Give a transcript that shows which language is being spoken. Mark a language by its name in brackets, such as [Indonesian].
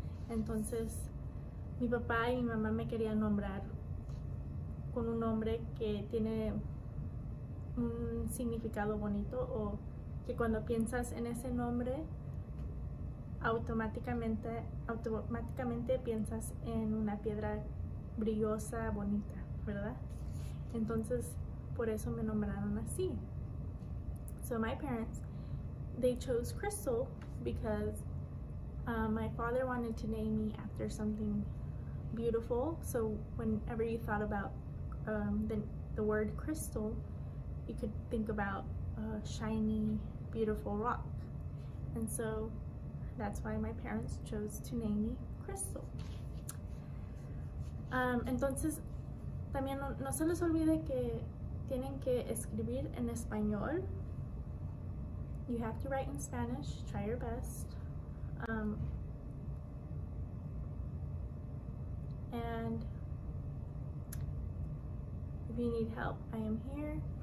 [Spanish] Entonces mi papá y mi mamá me querían nombrar con un nombre que tiene un significado bonito, o que cuando piensas en ese nombre automáticamente piensas en una piedra brillosa, bonita, ¿verdad? Entonces por eso me nombraron así. [English] So my parents, they chose Crystal because my father wanted to name me after something beautiful. So whenever you thought about the word crystal, you could think about a shiny, beautiful rock. And so that's why my parents chose to name me Crystal. [Spanish] Entonces, también no se les olvide que tienen que escribir en español. [English] You have to write in Spanish, try your best. And if you need help, I am here.